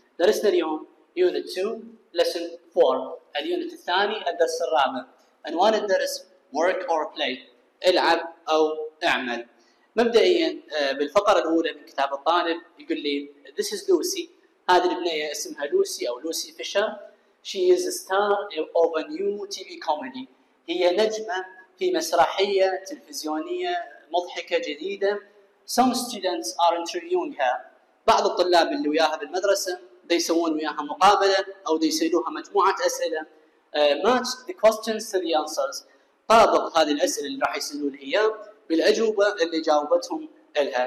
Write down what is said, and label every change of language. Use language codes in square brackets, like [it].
[ar] درسنا اليوم [en] Unit 2 Lesson 4 [ar] اليونت الثاني الدرس الرابع. عنوان الدرس [en] Work or Play، [ar] العب أو اعمل. مبدئيا بالفقرة الأولى من كتاب الطالب يقول لي [en] This is Lucy، [ar] هذه البنية اسمها لوسي أو لوسي فيشر. [en] She is a star of a new TV comedy، [ar] هي نجمة في مسرحية تلفزيونية مضحكة جديدة. [en] Some students are interviewing her، [ar] بعض الطلاب اللي وياها بالمدرسة دي يسوون وياها مقابلة أو دي يسألوها مجموعة أسئلة. [en] Match the questions to the answers، [ar] طابق هذه الأسئلة اللي راح يسألون هي بالأجوبة اللي جاوبتهم لها.